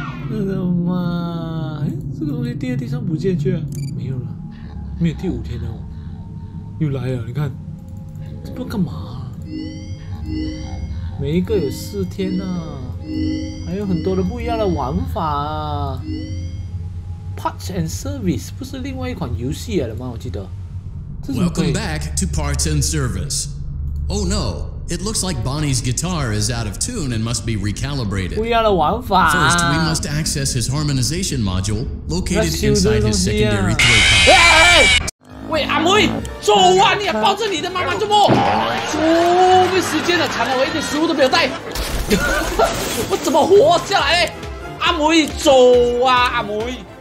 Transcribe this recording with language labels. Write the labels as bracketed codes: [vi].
[zh] 我的妈，这个东西掉地上不见去了，没有了，没有第五天了，又来了，你看，这不干嘛？每一个有四天啊，还有很多的不一样的玩法啊。 Parts and Service 不是另外一款游戏来的吗？我记得。 [en] Welcome back to Parts and Service. Oh no, it looks like Bonnie's guitar is out of tune and must be recalibrated. [zh] 不一样的玩法。 [en] First, we must access his harmonization module located inside his secondary throat. [zh] 喂，阿妹，走啊！你也抱着你的妈妈这么走，没时间了，惨了，我一点食物都没有带，我怎么活下来？阿妹，走啊，阿妹。